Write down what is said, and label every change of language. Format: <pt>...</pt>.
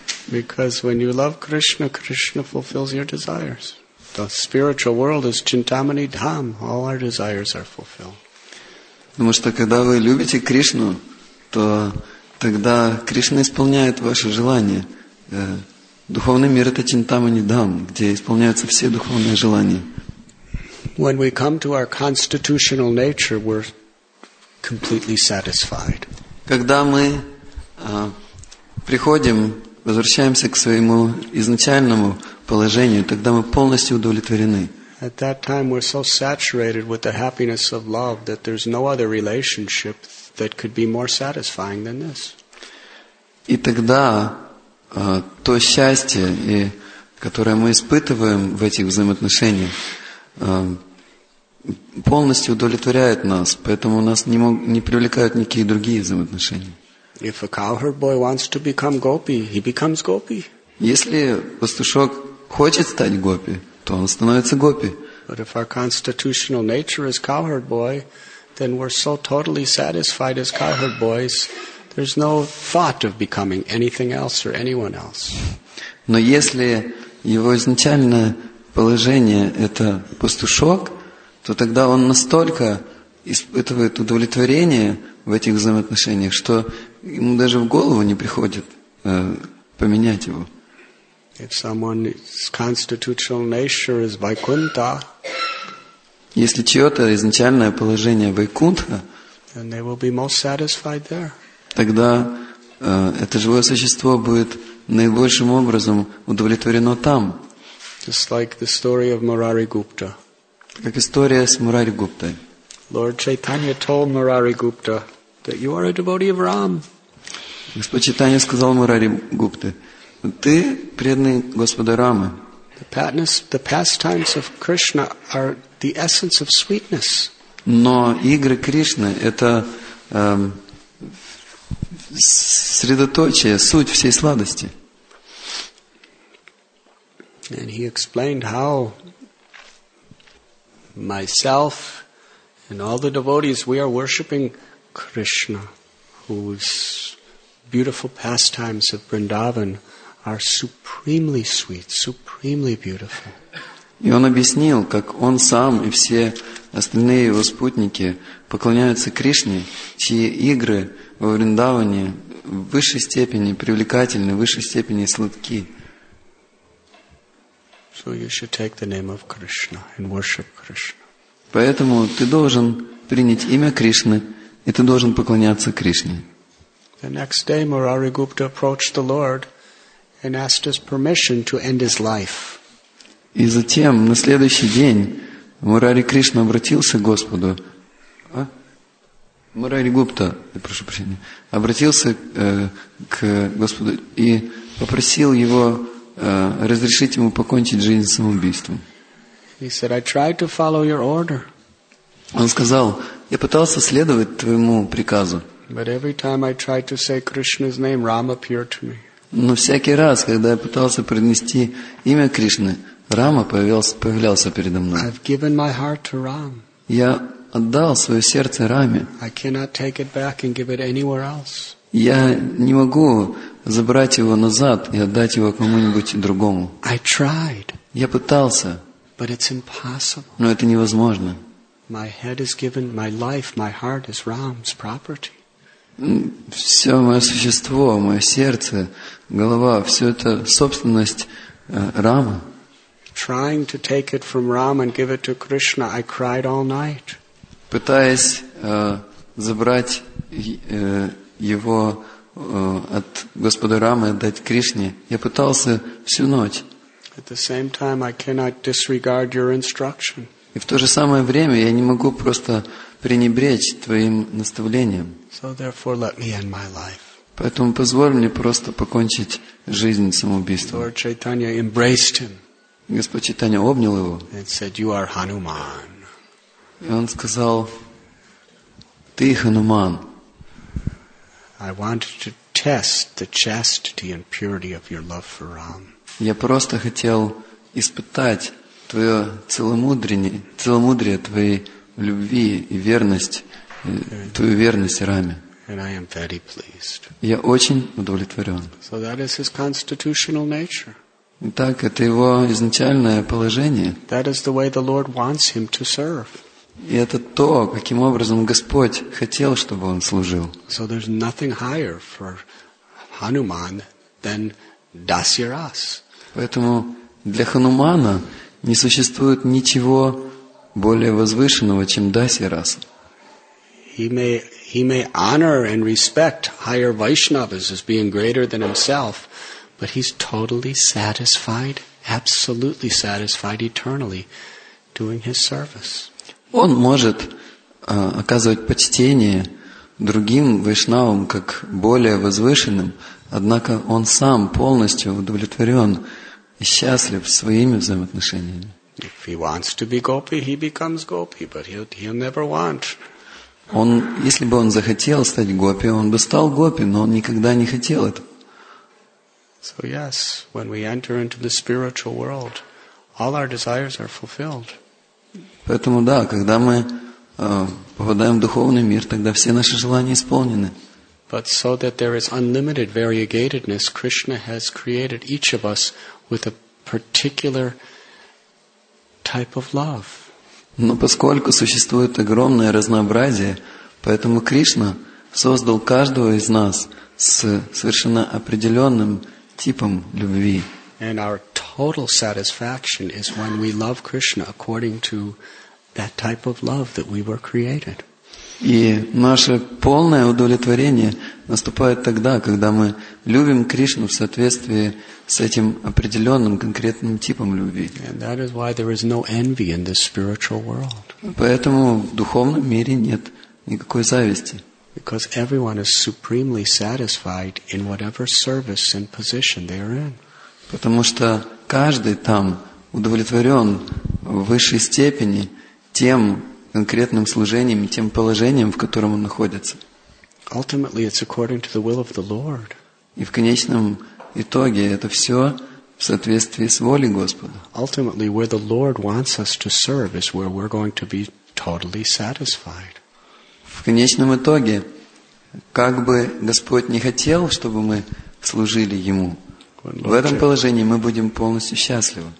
<en>Because when you love Krishna, Krishna fulfills your desires. The spiritual world is Chintamani Dham. All our desires are fulfilled.</en> <ru>Потому что когда вы любите Кришну, то тогда Кришна исполняет ваши желания. Духовный мир – это Чинтамани Дхам, где исполняются все духовные желания.</ru> <en>When we come to our constitutional nature, we're completely satisfied.</en> <ru>Когда мы приходим... Возвращаемся к своему изначальному положению, тогда мы полностью удовлетворены.</ru> <en>At that time we're so saturated with the happiness of love that there's no other relationship that could be more satisfying than this.</en> <ru>И тогда то счастье, которое мы испытываем в этих взаимоотношениях, полностью удовлетворяет нас, поэтому нас не привлекают никакие другие взаимоотношения.</ru> <en>If a cowherd boy wants to become gopi, he becomes gopi.</en> <ru>Если пастушок хочет стать гопи, то он становится гопи.</ru> <en>But if our constitutional nature is cowherd boy, then we're so totally satisfied as cowherd boys, there's no thought of becoming anything else or anyone else.</en> <ru>Но если его изначальное положение – это пастушок, то тогда он настолько испытывает удовлетворение в этих взаимоотношениях, что ему даже в голову не приходит поменять его.</ru> <en>If someone's constitutional nature is Vaikuntha,</en> <ru>если чье-то изначальное положение Вайкунтха,</ru> <en>then they will be most satisfied there.</en> <ru>Тогда это живое существо будет наибольшим образом удовлетворено там.</ru> <en>Just like the story of Murari Gupta.</en> <ru>Как история с Мурари Гуптой.</ru> <en>Lord Chaitanya told Murari Gupta that you are a devotee of Ram.</en> <ru>Господь Чайтанья сказал Мурари Гупте: ты преданный Господа Рамы.</ru> <en>The pastimes of Krishna are the essence of sweetness.</en> <ru>Но игры Кришны – это средоточие, суть всей сладости.</ru> <en>And he explained how myself and all the devotees, we are worshipping Krishna, whose beautiful pastimes of Vrindavan are supremely sweet, supremely beautiful.</en> <ru>И он объяснил, как он сам и все остальные его спутники поклоняются Кришне, чьи игры во Вриндаване в высшей степени привлекательны, в высшей степени сладки.</ru> <en>So you should take the name of Krishna and worship Krishna.</en> <ru>Поэтому ты должен принять имя Кришны, и ты должен поклоняться Кришне.</ru> <en>The next day, Murari Gupta approached the Lord and asked his permission to end his life.</en> <ru>И затем, на следующий день, Мурари Кришна обратился к Господу. Мурари Гупта, прошу прощения, обратился к Господу и попросил его разрешить ему покончить жизнь самоубийством.</ru> <en>He said, I tried to follow your order.</en> <ru>Он сказал, я пытался следовать твоему приказу.</ru> <en>But every time I tried to say Krishna's name, Rama appeared to me.</en> <ru>Но всякий раз, когда я пытался произнести имя Кришны, Рама появлялся передо мной.</ru> <en>I've given my heart to Ram.</en> <ru>Я отдал свое сердце Раме.</ru> <en>I cannot take it back and give it anywhere else.</en> <ru>Я не могу забрать его назад и отдать его кому-нибудь другому.</ru> <en>I tried.</en> <ru>Я пытался.</ru> <en>But it's impossible.</en> <ru>Но это невозможно.</ru> <en>My head is given, my life, my heart is Ram's property.</en> <ru>Все мое существо, мое сердце, голова, все это собственность Рамы.</ru> <en>Trying to take it from Ram and give it to Krishna, I cried all night.</en> <ru>Пытаясь забрать его от Господа Рамы, отдать Кришне, я пытался всю ночь.</ru> <en>At the same time, I cannot disregard your instruction.</en> <ru>И в то же самое время я не могу просто пренебречь твоим наставлением.</ru> <en>So therefore, let me end my life.</en> <ru>Поэтому позволь мне просто покончить жизнь самоубийством.</ru> <en>Lord Chaitanya embraced him.</en> <ru>Господь Чайтанья обнял его.</ru> <en>And said, you are Hanuman.</en> <ru>И он сказал, ты Хануман.</ru> <en>I wanted to test the chastity and purity of your love for Ram.</en> <ru>Я просто хотел испытать твое целомудрие твоей любви и верность, твою верность Раме.</ru> <en>And I am very pleased.</en> <ru>Я очень удовлетворен.</ru> <en>So that is his constitutional nature.</en> <ru>Итак, это его изначальное положение.</ru> <en>That is the way the Lord wants him to serve.</en> <ru>И это то, каким образом Господь хотел, чтобы он служил.</ru> <en>So there's nothing higher for Hanuman than Dasyaras.</en> <ru>Поэтому для Ханумана не существует ничего более возвышенного, чем Дасьярас.</ru> <en>He may honor and respect higher Vaishnavas as being greater than himself, but he's totally satisfied, absolutely satisfied eternally doing his service.</en> <ru>Он может оказывать почтение другим Вайшнавам как более возвышенным, однако он сам полностью удовлетворен и счастлив своими взаимоотношениями.</ru> <en>If he wants to be gopi, he becomes gopi, but he'll never want.</en> <ru>Он, если бы он захотел стать гопи, он бы стал гопи, но он никогда не хотел этого.</ru> <en>So yes, when we enter into the spiritual world, all our desires are fulfilled.</en> <ru>Поэтому да, когда мы попадаем в духовный мир, тогда все наши желания исполнены.</ru> <en>But so that there is unlimited variegatedness, Krishna has created each of us with a particular type of love.</en> <ru>Но поскольку существует огромное разнообразие, поэтому Кришна создал каждого из нас с совершенно определенным типом любви.</ru> <en>And our total satisfaction is when we love Krishna according to that type of love that we were created.</en> <ru>И наше полное удовлетворение наступает тогда, когда мы любим Кришну в соответствии с этим определенным конкретным типом любви.</ru> <en>And that is why there is no envy in this spiritual world.</en> <ru>Поэтому в духовном мире нет никакой зависти.</ru> <en>Because everyone is supremely satisfied in whatever service and position they are in.</en> <ru>Потому что каждый там удовлетворен в высшей степени тем конкретным служением, тем положением, в котором он находится.</ru> <en>Ultimately, it's according to the will of the Lord.</en> <ru>И в конечном итоге это все в соответствии с волей Господа.</ru> <en>Ultimately, where the Lord wants us to serve is where we're going to be totally satisfied.</en> <ru>В конечном итоге, как бы Господь не хотел, чтобы мы служили Ему, в этом положении мы будем полностью счастливы.</ru>